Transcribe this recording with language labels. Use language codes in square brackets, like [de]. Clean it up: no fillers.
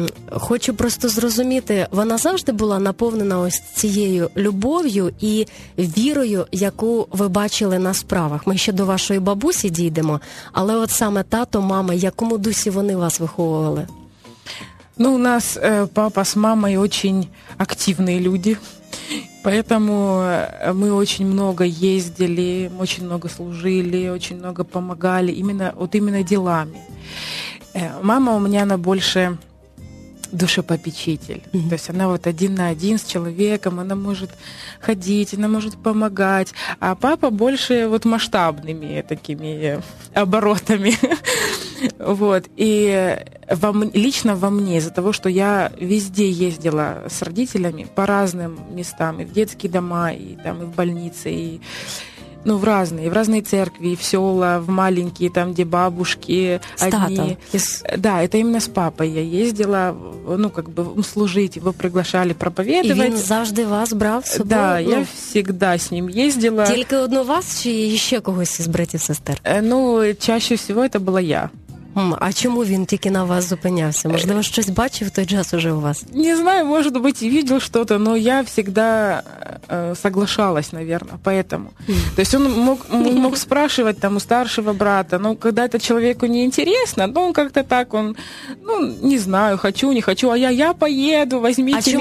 [uk] Хочу просто зрозуміти, вона завжди була наповнена ось цією любов'ю і вірою, яку ви бачили на справах. Ми ще до вашої бабусі дійдемо, але от саме тато, мама, якому дусі вони вас виховували? [ru] Ну, у нас папа з мамою очень активні люди, поэтому мы очень много ездили, очень много служили, очень много помогали, именно, вот именно делами. Мама у меня, она больше душепопечитель, то есть она вот один на один с человеком, она может ходить, она может помогать, а папа больше вот масштабными такими оборотами. Вот, и лично во мне, из-за того, что я везде ездила с родителями по разным местам, и в детские дома, и там, и в больницы, и ну, в разные церкви, и в села, в маленькие, там, где бабушки одни. Да, это именно с папой я ездила, ну, как бы служить, его приглашали проповедовать. [uk] И он завжди вас брав [ru] с собой? Да, ну, я всегда с ним ездила. Только одну вас, чи еще когось из братьев-сестер? Ну, чаще всего это была я. [uk] А чому він тільки на вас зупинявся? Можливо, щось бачив той час уже у вас? [ru] Не знаю, может быть, видел что-то, но я всегда соглашалась, наверное, поэтому. То есть он мог спрашивать там у старшего брата, но когда это человеку не интересно, ну он как-то так, он, ну, не знаю, хочу, не хочу, а я поеду, возьмите меня.